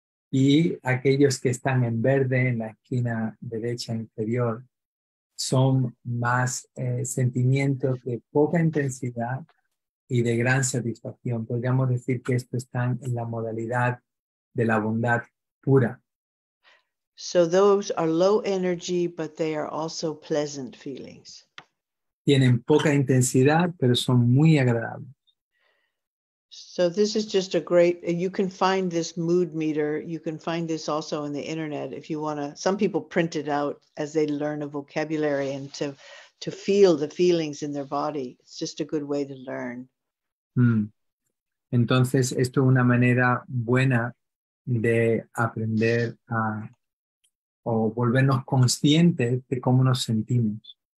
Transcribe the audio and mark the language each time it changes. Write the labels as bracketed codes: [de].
[es] Y aquellos que están en verde en la esquina derecha inferior son más sentimientos de poca intensidad y de gran satisfacción. Podríamos decir que estos están en la modalidad de la bondad pura. [en] So those are low energy, but they are also pleasant feelings. [es] Tienen poca intensidad, pero son muy agradables. [en] So this is just a great, you can find this mood meter, you can find this also on the internet if you want to, some people print it out as they learn a vocabulary and to feel the feelings in their body. It's just a good way to learn. [es] Entonces, esto es una manera buena de aprender a o volvernos conscientes de cómo nos sentimos.